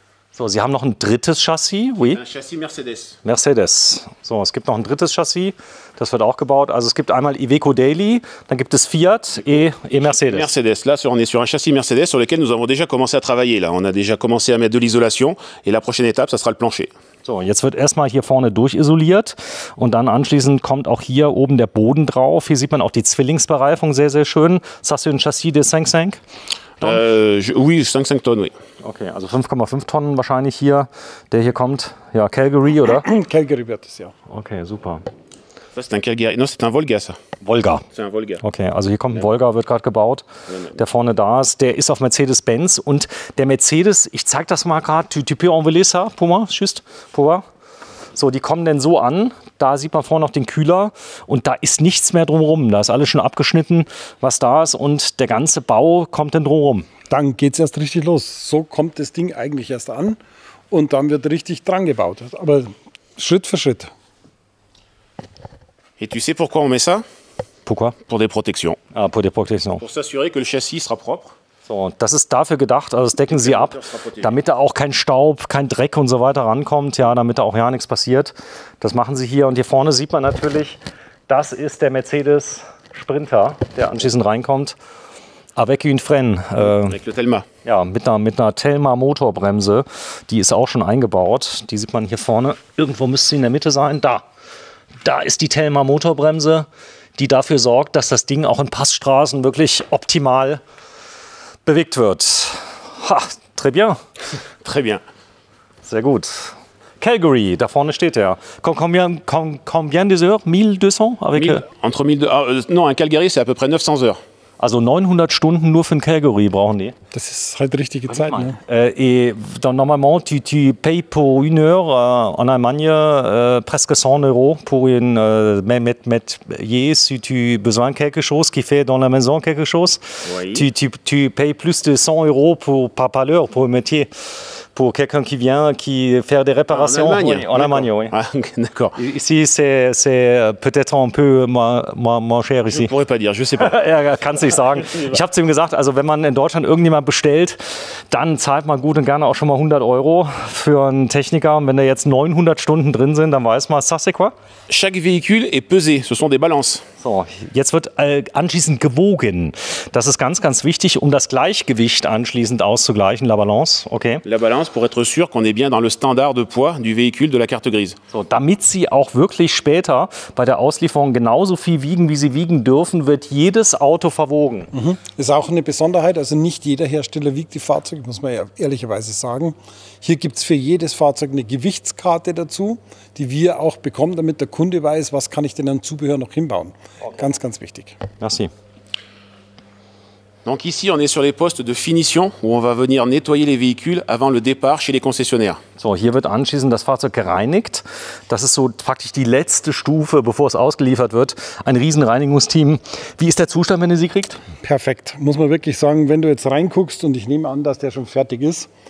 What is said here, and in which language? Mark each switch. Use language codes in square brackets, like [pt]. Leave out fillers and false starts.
[de] So, Sie haben noch ein drittes Chassis, oui. [fr] Un châssis Mercedes. Mercedes. [de] So, es gibt noch ein drittes Chassis, das wird auch gebaut. Also es gibt einmal Iveco Daily, dann gibt es Fiat et Mercedes. [fr] Mercedes, là, on est sur un châssis Mercedes sur lequel nous avons déjà commencé à travailler. Là. On a déjà commencé à mettre de l'isolation et la prochaine étape, ça sera le plancher. [de] So, jetzt wird erstmal hier vorne durchisoliert und dann anschließend kommt auch hier oben der Boden drauf. Hier sieht man auch die Zwillingsbereifung, sehr, sehr schön. Das hast du ein [fr] Chassis de 5,5? [de] Oui, 5,5 Tonnen, oui. Okay, also 5,5 Tonnen wahrscheinlich hier, der hier kommt. Ja, Calgary, oder? Calgary wird es, ja. Okay, super. Das ist ein Calgary, [fr] non, c'est un Volga, ça. Volga. C'est un Volga. [de] Okay, also hier kommt ein Volga, wird gerade gebaut, der vorne da ist. Der ist auf Mercedes-Benz und der Mercedes, ich zeig das mal gerade, [fr] tu peux envoler ça, Puma, juste, Puma. [de] So, die kommen denn so an. Da sieht man vorne noch den Kühler und da ist nichts mehr drumherum. Da ist alles schon abgeschnitten, was da ist und der ganze Bau kommt dann drumherum. Dann geht es erst richtig los. So kommt das Ding eigentlich erst an und dann wird richtig dran gebaut. Aber Schritt für Schritt. [fr] Et tu sais pourquoi on met ça? Pourquoi? Pour des protections. Ah, pour des protections. Pour s'assurer que le châssis sera propre. [de] So, das ist dafür gedacht, also das decken Sie ab, damit da auch kein Staub, kein Dreck und so weiter rankommt, ja, damit da auch ja nichts passiert. Das machen Sie hier und hier vorne sieht man natürlich, das ist der Mercedes Sprinter, der anschließend reinkommt. [fr] Avec une Fren. [de] Ja, mit einer Telma Motorbremse, die ist auch schon eingebaut. Die sieht man hier vorne, irgendwo müsste sie in der Mitte sein, da. Da ist die Telma Motorbremse, die dafür sorgt, dass das Ding auch in Passstraßen wirklich optimal bewegt wird. [fr] Ha, très bien. Très bien. [de] Sehr gut. Calgary, da vorne steht er. [fr] Combien des heures? 1200? Avec entre 1200, non, un Calgary, c'est à peu près 900 heures. [de] Also 900 Stunden nur für ein Calgary brauchen die. Das ist halt richtige Zeit, ne? [fr] Et normalement, tu payes pour une heure en Allemagne presque 100 euros pour une métier. Si tu besoin quelque chose, qui fait dans la maison quelque chose, tu payes plus de 100 euros par l'heure pour un métier. Pour quelqu'un qui vient qui faire des réparations en Allemagne, oui. Ah, okay, d'accord. Ici, c'est peut-être un peu moins cher ici. Je ne pourrais pas dire, je ne sais pas. [de] Er kann es nicht sagen. Ich habe zu ihm gesagt, also wenn man in Deutschland irgendjemand bestellt, dann zahlt man gut und gerne auch schon mal 100 Euro für einen Techniker. Und wenn da jetzt 900 Stunden drin sind, dann weiß man, [fr] ça c'est quoi? Chaque véhicule est pesé, ce sont des balances. [de] So, jetzt wird anschließend gewogen. Das ist ganz, ganz wichtig, um das Gleichgewicht anschließend auszugleichen, [fr] la balance, okay. La balance. Pour être sûr qu'on est bien dans le standard de poids du véhicule de la carte grise. [de] So, damit sie auch wirklich später bei der Auslieferung genauso viel wiegen, wie sie wiegen dürfen, wird jedes Auto verwogen. Mhm. Ist auch eine Besonderheit, also nicht jeder Hersteller wiegt die Fahrzeuge, muss man ja ehrlicherweise sagen. Hier gibt es für jedes Fahrzeug eine Gewichtskarte dazu, die wir auch bekommen, damit der Kunde weiß, was kann ich denn an Zubehör noch hinbauen. Okay. Ganz, ganz wichtig. [fr] Merci. Donc ici, on est sur les postes de finition, où on va venir nettoyer les véhicules avant le départ chez les concessionnaires. [de] So, hier wird anschließend das Fahrzeug gereinigt. Das ist so praktisch die letzte Stufe, bevor es ausgeliefert wird. Ein Riesenreinigungsteam. Wie ist der Zustand, wenn du sie kriegst? Perfekt. Muss man wirklich sagen, wenn du jetzt reinguckst, und ich nehme an, dass der schon fertig ist.